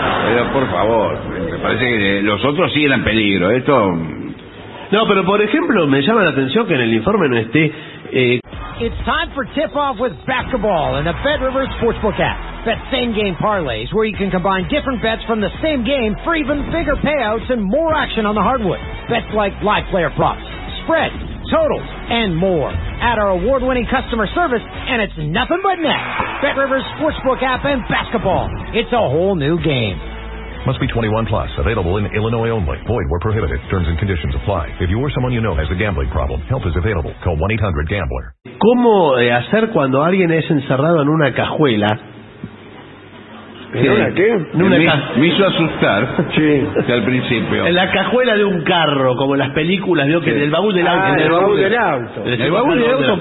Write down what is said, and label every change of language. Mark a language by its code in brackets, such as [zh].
[es] Pero por favor, me parece que los otros sí eran peligro. Esto. No, pero por ejemplo, me llama la atención que en el informe no esté. [en] It's time for tip-off with basketball in the Bet Rivers Sportsbook app. Bet same game parlays, where you can combine different bets from the same game for even bigger payouts and more action on the hardwood. Bets like live player props, spread, totals, and more. Add our award-winning customer service, and it's nothing but net. BetRivers Sportsbook app and basketball. It's a whole new game. Must be 21 plus. Available in Illinois only. Void where prohibited. Terms and conditions apply. If you or someone you know has a gambling problem, help is available. Call 1-800-GAMBLER. [es] ¿Cómo hacer cuando alguien es encerrado en una cajuela? Me hizo asustar. Sí. Que al principio. En la cajuela de un carro, como en las películas, vio que en el baúl del auto. En el baúl del auto